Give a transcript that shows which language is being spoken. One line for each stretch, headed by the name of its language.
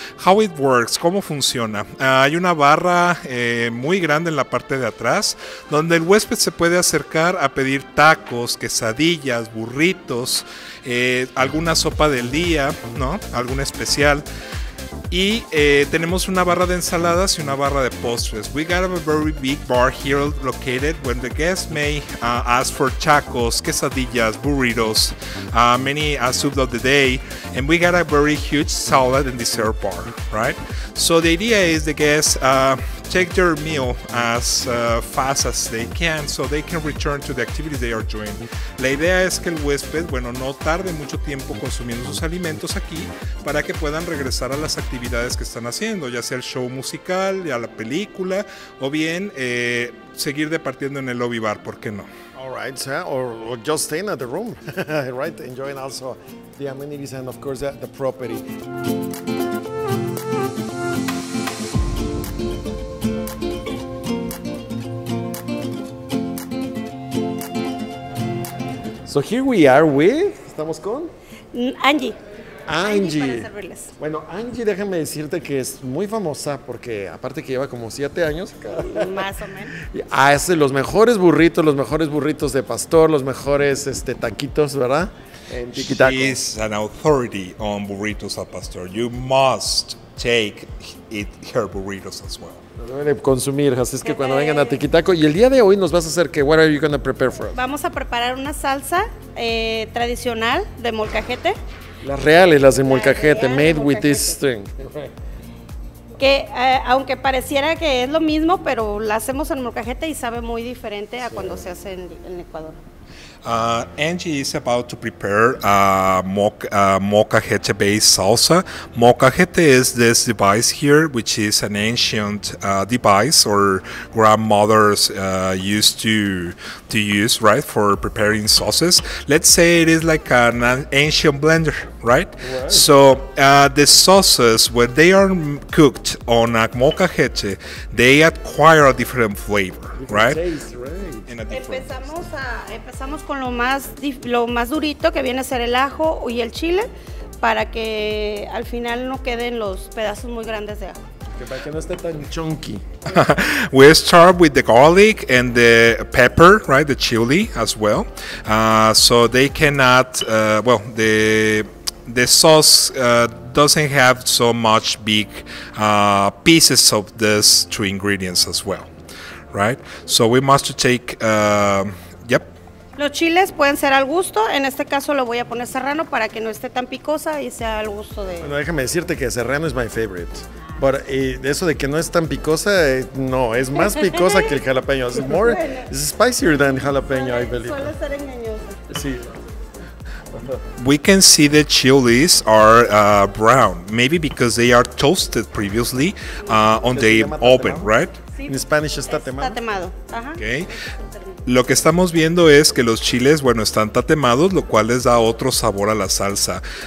English: How it works,
Spanish: cómo funciona. Hay una barra muy grande en la parte de atrás donde el huésped se puede acercar a pedir tacos, quesadillas, burritos, alguna sopa del día, ¿no? Alguna especial. Y tenemos una barra de ensaladas y una barra de postres.
English: We got a very big bar here located where the guests may ask for tacos, quesadillas, burritos, many soup of the day. And we got a very huge salad and dessert bar, right? So the idea is the guests take their meal as fast as they can so they can return to the activity they are doing.
Spanish: La idea es que el huésped, bueno, no tarde mucho tiempo consumiendo sus alimentos aquí para que puedan regresar a las actividades que están haciendo, ya sea el show musical, ya la película, o bien seguir departiendo en el lobby bar, ¿por qué no?
English: All right, sir, or just staying at the room, right? Enjoying also the amenities and of course the property. So here we are with,
Spanish: estamos con
English: Angie.
Spanish: Bueno, Angie, déjame decirte que es muy famosa porque aparte que lleva como 7 años. Más o menos. Y hace los mejores burritos de pastor, los mejores taquitos, ¿verdad? En Tiki Taco.
English: She is an authority on burritos al pastor. You must take it, her burritos as well.
Spanish: Deben consumir, así es que cuando vengan a Tiki Taco. Y el día de hoy nos vas a hacer, ¿qué?
English: What are you going to prepare for us?
Spanish: Vamos a preparar una salsa tradicional de molcajete. Las reales, las de molcajete,
English: made with this string.
Spanish: Que aunque pareciera que es lo mismo, pero la hacemos en molcajete y sabe muy diferente a cuando se hace en Ecuador.
English: Angie is about to prepare a mocajete-based salsa. Mocajete is this device here, which is an ancient device or grandmothers used to use, right, for preparing sauces. Let's say it is like an ancient blender, right? So the sauces, when they are cooked on a mocajete, they acquire a different flavor, right?
Spanish: Empezamos con lo más durito, que viene a ser el ajo y el chile, para que al final no queden los pedazos muy grandes de ajo. que para que no esté tan chunky.
English: We start with the garlic and the pepper, right? The chili as well. So they cannot, well, the sauce doesn't have so much big pieces of these two ingredients as well, right? So we must take, yep.
Spanish: Los chiles pueden ser al gusto, en este caso lo voy a poner serrano para que no esté tan picosa y sea al gusto de... Bueno, déjame decirte que serrano
English: is my favorite.
Spanish: Pero eso de que no es tan picosa, no, es más picosa que el jalapeño.
English: It's more, it's spicier than jalapeño, I believe.
Spanish: Suele ser engañosa. Sí.
English: We can see the chilies are brown, maybe because they are toasted previously on the oven, right? In Spanish
Spanish: está temado. Está temado.
English: Okay.
Spanish: Lo que estamos viendo es que los chiles, bueno, están tatemados, lo cual les da otro sabor a la salsa.